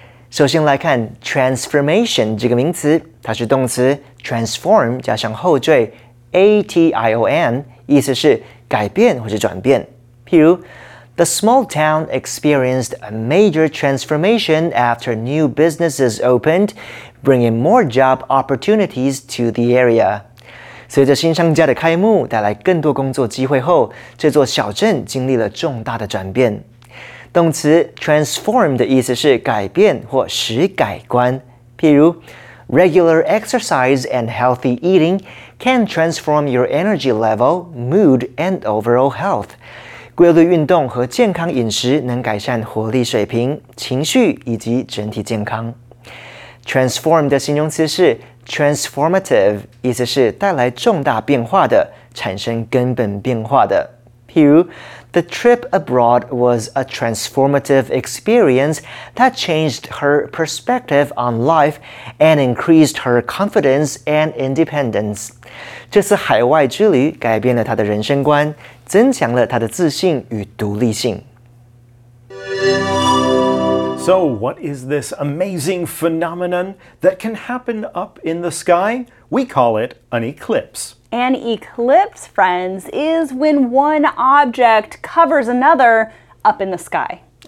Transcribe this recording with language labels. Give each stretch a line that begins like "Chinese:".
Chinese: 首先来看 transformation 这个名词，它是动词 transform 加上后缀 ation， 意思是改变或是转变。譬如
English: ，The small town experienced a major transformation after new businesses opened, bringing more job opportunities to the area。
Chinese: 随着新商家的开幕，带来更多工作机会后，这座小镇经历了重大的转变。动词 transform 的意思是改变或使改观。譬如
English: regular exercise and healthy eating can transform your energy level, mood, and overall health.
Chinese: 规律运动和健康饮食能改善活力水平、情绪以及整体健康。 transform 的形容词是 transformative， 意思是带来重大变化的、产生根本变化的。譬如
English: The trip abroad was a transformative experience that changed her perspective on life and increased her confidence and independence.
Chinese: 这次海外之旅改变了她的人生观，增强了她的自信与独立性。
English: So, what is this amazing phenomenon that can happen up in the sky? We call it an eclipse. An eclipse, friends, is when one object covers another up in the sky.